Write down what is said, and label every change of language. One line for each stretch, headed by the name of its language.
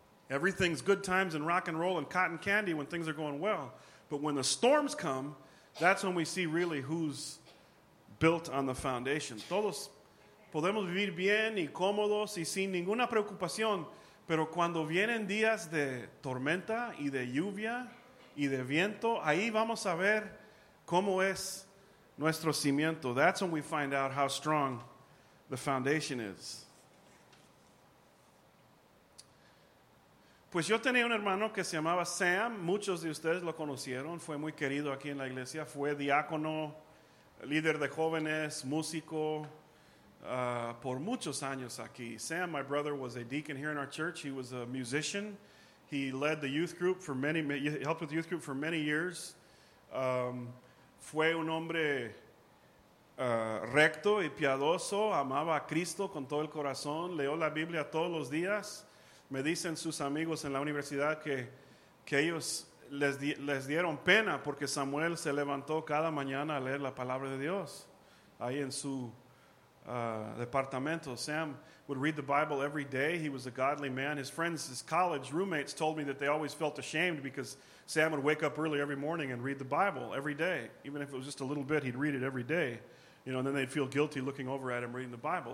English: Everything's good times and rock and roll and cotton candy when things are going well. But when the storms come, that's when we see really who's built on the foundation.
Spanish: Todos podemos vivir bien y cómodos y sin ninguna preocupación, pero cuando vienen días de tormenta y de lluvia y de viento, ahí vamos a ver cómo es nuestro cimiento.
English: That's when we find out how strong the foundation is.
Spanish: Pues yo tenía un hermano que se llamaba Sam. Muchos de ustedes lo conocieron. Fue muy querido aquí en la iglesia. Fue diácono, líder de jóvenes, músico, por muchos años aquí.
English: Sam, my brother, was a deacon here in our church. He was a musician. He led the youth group for many, helped with the youth group for many years.
Spanish: Fue un hombre recto y piadoso. Amaba a Cristo con todo el corazón. Leyó la Biblia todos los días. Me dicen sus amigos en la universidad que ellos les dieron pena porque Samuel se levantó cada mañana a leer la palabra de Dios ahí en su departamento.
English: Sam would read the Bible every day. He was a godly man. His friends, his college roommates told me that they always felt ashamed because Sam would wake up early every morning and read the Bible every day. Even if it was just a little bit, he'd read it every day. You know, and then they'd feel guilty looking over at him reading the Bible.